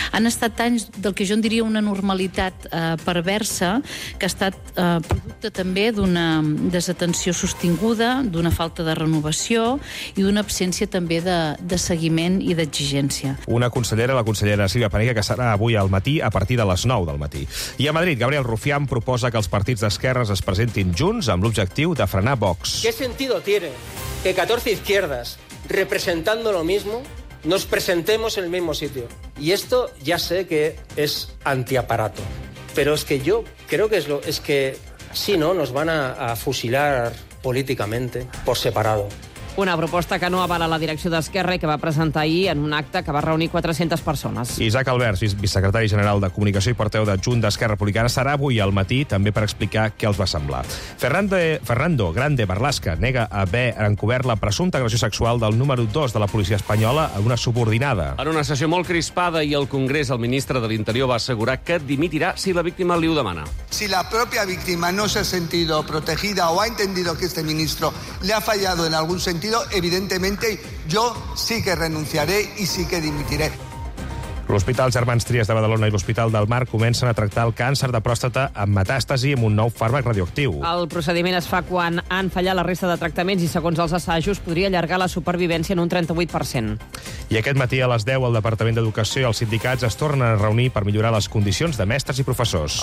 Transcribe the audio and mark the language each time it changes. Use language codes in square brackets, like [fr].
[ca] Han estat anys del que jo en diria una normalitat perversa, que ha estat producte també d'una desatenció sostinguda, d'una falta de renovació i d'una absència també de seguiment i d'exigència. Una consellera, la consellera Sílvia Paneque, que serà avui al matí a partir de les 9 del matí. I a Madrid, Gabriel Rufián proposa que els partits d'esquerres es presentin junts amb l'objectiu de frenar Vox. [es] ¿Qué sentido tiene que 14 izquierdas representando lo mismo nos presentemos en el mismo sitio? Y esto ya sé que es antiaparato, pero es que yo creo que es que si no nos van a fusilar políticamente por separado. [ca] Una proposta que no avala la direcció d'Esquerra i que va presentar ahir en un acte que va reunir 400 persones. Isaac Albert, vicesecretari general de Comunicació i Porteu de Junts d'Esquerra Republicana, serà avui al matí també per explicar què els va semblar. Fernando Grande Marlaska nega haver encobert la presumpta agressió sexual del número 2 de la policia espanyola a una subordinada. En una sessió molt crispada i al Congrés, el ministre de l'Interior va assegurar que dimitirà si la víctima li ho demana. [es] Si la pròpia víctima no s'ha sentido protegida o ha entendido que este ministro le ha fallado en algún sentido, evidentemente, yo sí que renunciaré y sí que dimitiré. [ca] L'Hospital Germans Trias de Badalona i l'Hospital del Mar comencen a tractar el càncer de pròstata amb metàstasi amb un nou fàrmac radioactiu. El procediment es fa quan han fallat la resta de tractaments i, segons els assajos, podria allargar la supervivència en un 38%. I aquest matí, a les 10, el Departament d'Educació i els sindicats es tornen a reunir per millorar les condicions de mestres i professors.